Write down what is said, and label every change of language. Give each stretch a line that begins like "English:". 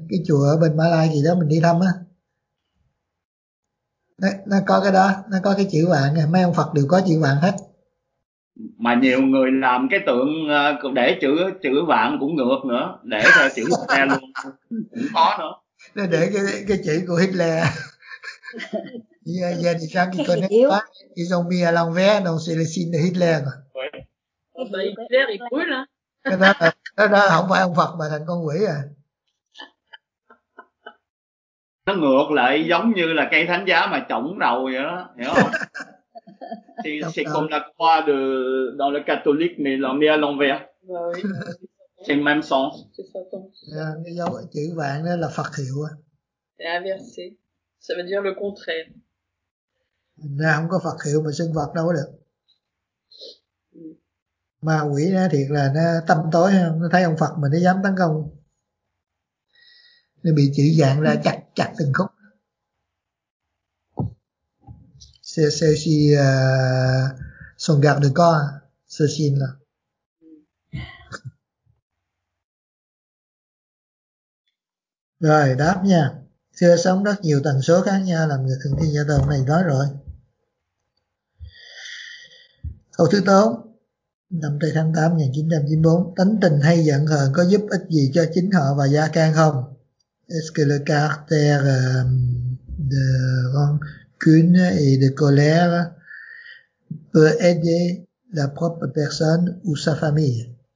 Vietnamese: Cái chùa ở bên Mã Lai gì đó mình đi thăm á. Nó có cái đó, nó có cái chữ vạn nha. Mấy ông Phật đều có chữ vạn hết. Mà nhiều người làm cái tượng để chữ vạn cũng ngược nữa, để theo chữ Hitler luôn. Cũng có nữa. Để cái chữ của Hitler.
French: Yeah, c'est ça qui connaît pas. Ils ont mis à l'envers, donc c'est le signe de Hitler. Ouais. Oh, bah Hitler il brûle hein.
Vietnamese: Cái đó không phải ông Phật mà thành con quỷ à. Nó ngược lại giống như là cây thánh giá mà trổng đầu vậy đó, hiểu không?
French: C'est comme la croix de dans le catholique mais l'on met à l'envers. Oui. C'est même sens.
Vietnamese: Cái dấu chữ vạn đó là Phật hiệu à.
French: C'est inversé. Ça veut dire le contraire.
Vietnamese: Nè, không có Phật hiệu mà xưng Phật đâu có được. Ma quỷ nó thiệt là nó tâm tối, nó thấy ông Phật mà nó dám tấn công. Nó bị chữ dạng ra chặt chặt từng khúc.
French: C'est aussi son garde de corps, ce signe là.
Vietnamese: Rồi, đáp nha. Thưa sống rất nhiều tần số khác nhau làm người thường thiên gia tộc này nói rồi. Câu thứ 4. Năm Tây tháng 8, 1994, tánh tình hay giận hờn có giúp ích gì cho chính họ và gia can không?
French: Est-ce que le caractère de rancune et de colère peut aider la propre personne ou sa famille?